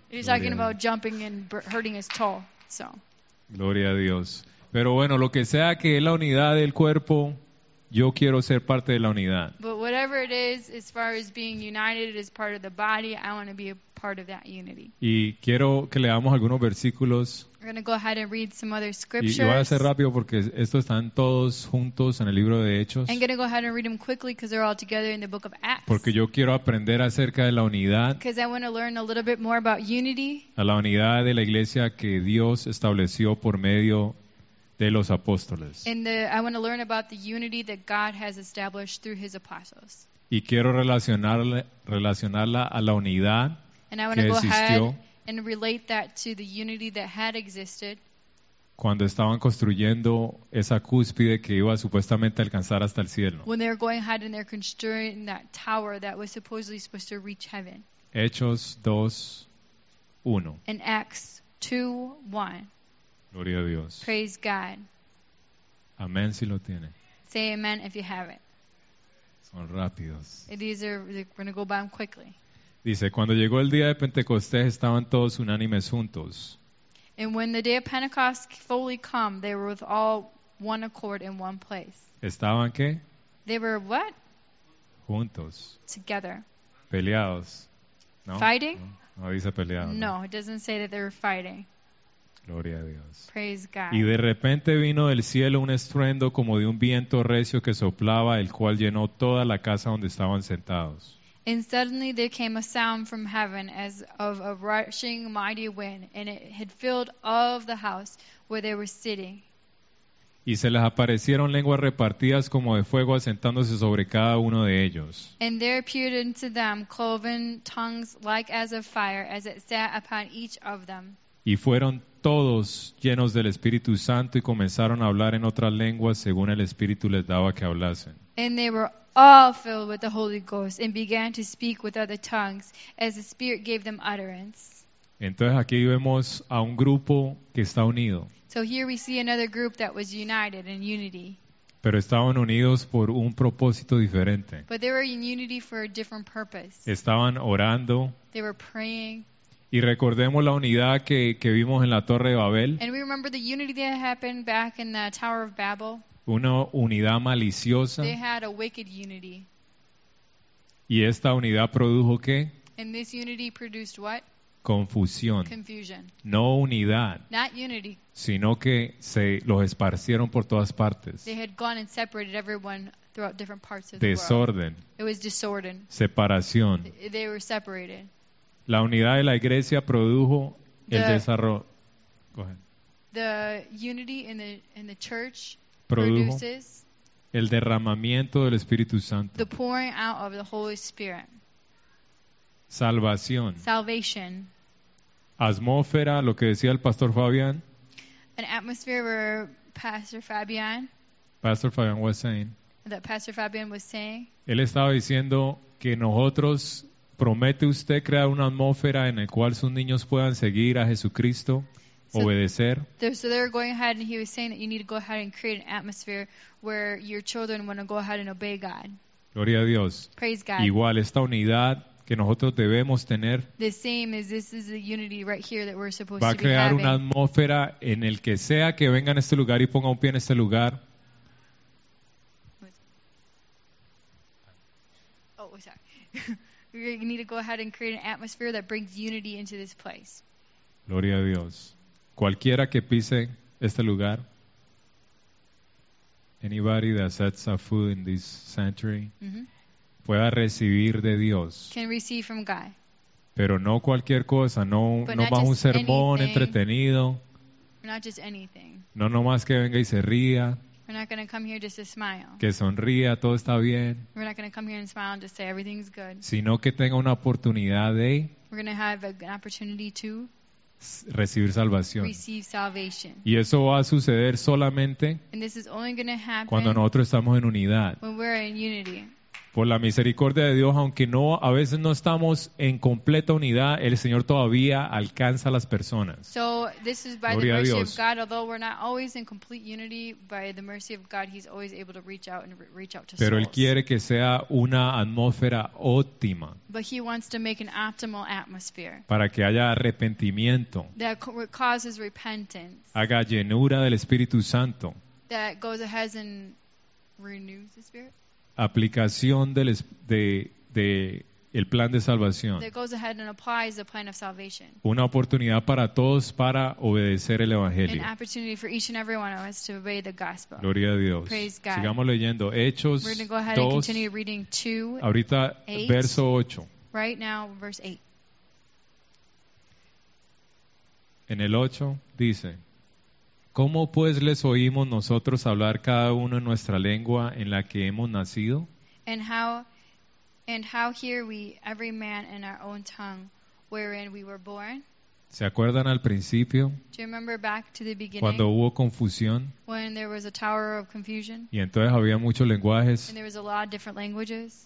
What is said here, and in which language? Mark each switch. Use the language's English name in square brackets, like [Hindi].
[English] He's talking about jumping and hurting his toe. So. [Spanish] Gloria a Dios. Pero bueno, lo que sea que es la unidad del cuerpo, yo quiero ser parte de la unidad. [English] But whatever it is, as far as being united as part of the body, I want to be a part of that unity. [Spanish] Y quiero que leamos algunos versículos. [English] We're going to go ahead and read some other scriptures. [Spanish] Y voy a hacer rápido porque estos están todos juntos en el libro de Hechos. [English] I'm going to go ahead and read them quickly because they're all together in the book of Acts. [Spanish] Porque yo quiero aprender acerca de la unidad. [English] Because I want to learn a little bit more about unity. [Spanish] A la unidad de la iglesia que Dios estableció por medio de los apóstoles. [English] I want to learn about the unity that God has established through his apostles. [Spanish] Y quiero relacionarla a la unidad que existió [English] and relate that to the unity that had existed [Spanish] cuando estaban construyendo esa cúspide que iba supuestamente a alcanzar hasta el cielo. [English] When they were going ahead and they're constructing that tower that was supposedly supposed to reach heaven. [Spanish] Hechos 2:1. [English] In Acts 2:1. [Spanish] Gloria a Dios. [English] Praise God. [Spanish] Amén si lo tiene. [English] Say amen if you have it. [Spanish] Son rápidos. [English] These are, we're going to go by them quickly. [Spanish] Dice, cuando llegó el día de Pentecostés, estaban todos unánimes juntos. [English] And when the day of Pentecost fully come, they were with all one accord in one place. [Spanish] ¿Estaban qué? [English] They were what? [Spanish] Juntos. [English] Together. [Spanish] Peleados. ¿No? [English] Fighting? [Spanish] No, no dice peleados. [English] No, it doesn't say that they were fighting. [Spanish] Gloria a Dios. [English] Praise God. [Spanish] Y de repente vino del cielo un estruendo como de un viento recio que soplaba, el cual llenó toda la casa donde estaban sentados. [English] And suddenly there came a sound from heaven as of a rushing mighty wind, and it had filled all of the house where they were sitting. [Spanish] Y se les aparecieron lenguas repartidas como de fuego asentándose sobre cada uno de ellos. [English] And there appeared unto them cloven tongues like as of fire as it sat upon each of them. [Spanish] Y fueron todos llenos del Espíritu Santo y comenzaron a hablar en otras lenguas según el Espíritu les daba que hablasen. [English] And they were all filled with the Holy Ghost and began to speak with other tongues as the Spirit gave them utterance. [Spanish] Entonces aquí vemos a un grupo que está unido. [English] So here we see another group that was united in unity. [Spanish] Pero estaban unidos por un propósito diferente. [English] But they were in unity for a different purpose. [Spanish] Estaban orando. [English] They were praying. [Spanish] Y recordemos la unidad que vimos en la Torre de Babel. [English] And we remember the unity that happened back in the Tower of Babel. [Spanish] Una unidad maliciosa. [English] They had a wicked unity. [Spanish] ¿Y esta unidad produjo qué? [English] And this unity produced what? [Spanish] Confusión. [English] Confusion. [Spanish] No unidad. [English] Not unity. [Spanish] Sino que se los esparcieron por todas partes. [English] They had gone and separated everyone throughout different parts of [Spanish] desorden. [English] The world. It was disorder. [Spanish] Separación. [English] They were separated. [Spanish] La unidad de la iglesia produjo el desarrollo. [English] Go ahead. The unity in the church [Spanish] produjo el derramamiento del Espíritu Santo. [English] The pouring out of the Holy Spirit. [Spanish] Salvación. [English] Salvation. [Spanish] Atmósfera, lo que decía el Pastor Fabián. [English] An atmosphere where Pastor Fabián. Pastor Fabián was saying. That Pastor Fabián was saying. [Spanish] Él estaba diciendo que nosotros, promete usted crear una atmósfera en la cual sus niños puedan seguir a Jesucristo. Obedecer. [English] So they were going ahead and he was saying that you need to go ahead and create an atmosphere where your children want to go ahead and obey God. [Spanish] Gloria a Dios. [English] Praise God. [Spanish] Igual esta unidad que nosotros debemos tener. [English] The same as this is the unity right here that we're supposed to be having. [Spanish] Va a crear una atmósfera en el que sea que venga a este lugar y ponga un pie en este lugar. [English] Oh, sorry. We need to go ahead and create an atmosphere that brings unity into this place. [Spanish] Gloria a Dios. Cualquiera que pise este lugar, [English] anybody that sets a foot in this sanctuary, mm-hmm. [Spanish] pueda recibir de Dios. [English] Can receive from God. [Spanish] Pero no cualquier cosa, no más un sermón [English] anything, [Spanish] entretenido. [English] Not just anything. [Spanish] No nomás que venga y se ría. [English] We're not gonna come here just to smile. [Spanish] Que sonría, todo está bien. [English] We're not gonna come here and smile and just say everything's good. [Spanish] Sino que tenga una oportunidad de. [English] We're gonna have an opportunity to. [Spanish] Recibir salvación. [English] Receive salvation. [Spanish] Y eso va a suceder solamente [English] and this is only gonna happen [Spanish] cuando nosotros estamos en unidad. [English] When we're in unity. [Spanish] Por la misericordia de Dios, aunque no, a veces no estamos en completa unidad, el Señor todavía alcanza a las personas. [English] So, this is by [Spanish] Gloria [English] the mercy of God, although we're not always in complete unity, by the mercy of God, He's always able to reach out and reach out to [Spanish] Pero [English] souls. [Spanish] Él quiere que sea una atmósfera óptima. [English] But He wants to make an optimal atmosphere. [Spanish] Para que haya arrepentimiento. [English] That causes repentance. [Spanish] Haga llenura del Espíritu Santo. [English] That goes ahead and renews the Spirit. [Spanish] Aplicación del de el plan de salvación. [English] That goes ahead and applies the plan of salvation. [Spanish] Una oportunidad para todos para obedecer el evangelio. [English] An opportunity for each and every one of us to obey the gospel. [Spanish] Gloria a Dios. [English] Praise God. [Spanish] Sigamos leyendo Hechos 2. [English] We're going to go ahead and continue reading 2. [Spanish] Ahorita 8, verso 8. [English] Right now verse 8. [Spanish] En el 8 dice: ¿Cómo pues les oímos nosotros hablar cada uno en nuestra lengua en la que hemos nacido? [English] And how hear we every man in our own tongue wherein we were born? [Spanish] ¿Se acuerdan al principio? [English] Do you remember back to the beginning? [Spanish] Cuando hubo confusión. [English] When there was a tower of confusion. [Spanish] Y entonces había muchos lenguajes. [English] And there was a lot of different languages.